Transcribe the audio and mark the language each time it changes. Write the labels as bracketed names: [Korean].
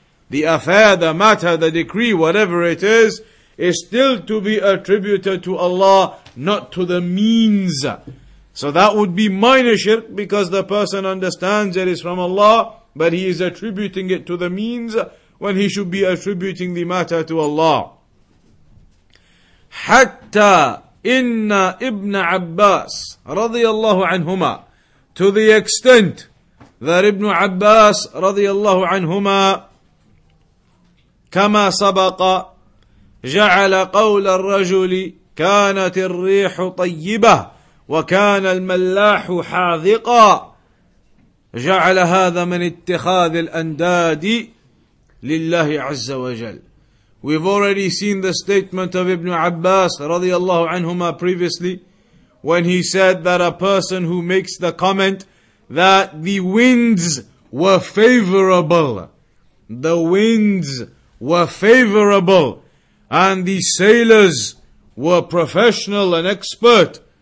[English] The affair, the matter, the decree, whatever it is still to be attributed to Allah, not to the means. So that would be minor shirk, because the person understands it is from Allah, but he is attributing it to the means when he should be attributing the matter to Allah. [Arabic] Hatta inna Ibn Abbas radiyallahu anhuma, [English] to the extent that [Arabic] Ibn Abbas radiyallahu anhuma, كما سبق جعل قول الرجل كانت الريح طيبة وكان الملاح حاذقا جعل هذا من اتخاذ الأنداد لله عز وجل. [English] We've already seen the statement of Ibn Abbas رضي الله عنهما previously, when he said that a person who makes the comment that the winds were favorable, the winds were favorable, and the sailors were professional and expert.